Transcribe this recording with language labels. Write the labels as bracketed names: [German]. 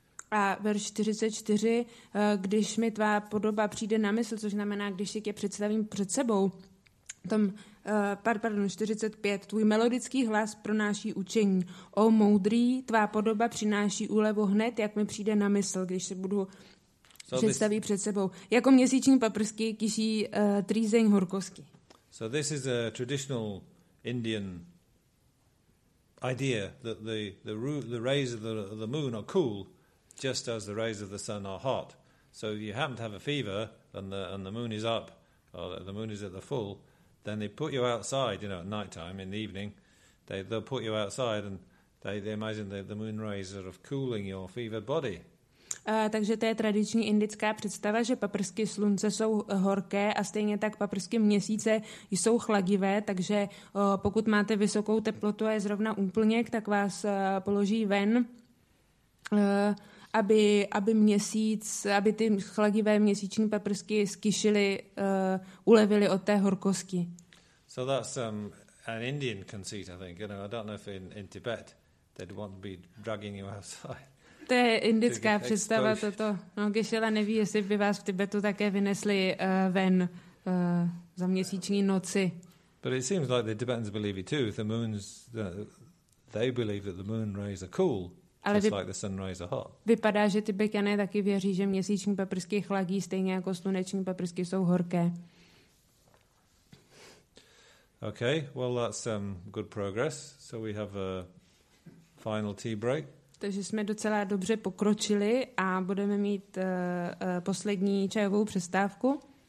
[Czech] A verš 44, když mi tvá podoba přijde na mysl, což znamená, když si tě představím před sebou, tam, 45, tvůj melodický hlas pronáší učení. O moudrý, tvá podoba přináší úlevu hned, jak mi přijde na mysl, když se budu představit před sebou. Jako měsíční paprsky kyší trýzeň horkosti. [English] So this is a traditional Indian idea that the rays of the moon are cool, just as the rays of the sun are hot. So if you happen to have a fever and the moon is up, or the moon is at the full, then they put you outside, you know, at night time, in the evening, they'll put you outside and they imagine the moon rays are sort of cooling your fevered body. [Czech] Takže to je tradiční indická představa, že paprsky slunce jsou horké a stejně tak paprsky měsíce jsou chladivé, takže pokud máte vysokou teplotu a je zrovna úplněk, tak vás položí ven, aby ty chladivé měsíční paprsky skyšily, ulevily od té horkosti. [English] So that's an Indian conceit, I think. You know, I don't know if in Tibet they'd want to be dragging you outside. [Czech] To je indická představa toto. No, Geshe-la neví, jestli by vás v Tibetu také vynesli ven za měsíční noci. [English] But it seems like the Tibetans believe it too. If the moon's, they believe that the moon rays are cool. [Czech] Ale vypadá, že Tibetané taky věří, že měsíční paprsky chladí stejně jako sluneční paprsky jsou horké. [English] Okay, well that's good progress. So we have a final tea break. [Czech] Takže jsme docela dobře pokročili a budeme mít poslední čajovou přestávku.